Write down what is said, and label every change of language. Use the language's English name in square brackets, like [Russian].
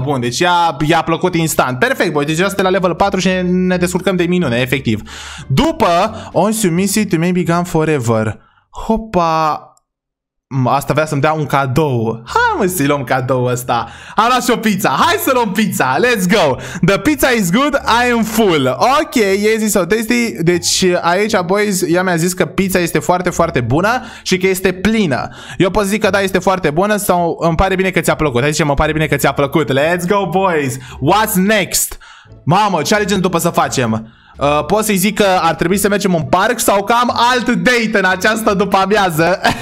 [Romanian] Bun, deci i-a plăcut instant. Perfect, boys, deci asta e la level 4 și ne descurcăm de minune, efectiv. [English] După, once you miss it, you may be gone forever. Hopa. [Romanian] Asta vrea să-mi dea un cadou. Hai mă să-i luăm cadou ăsta. Am luat și o pizza, hai să luăm pizza. [English] Let's go, the pizza is good, I am full. [Romanian] Ok, e zis-o tasty. Deci aici, boys, ea mi-a zis că pizza este foarte, foarte bună și că este plină. Eu pot zic că da, este foarte bună sau îmi pare bine că ți-a plăcut. Hai zice, mă pare bine că ți-a plăcut. Let's go, boys, what's next? Mamă, ce alegem după să facem? Pot să-i zic că ar trebui să mergem în parc sau că am alt date în această după-amiază.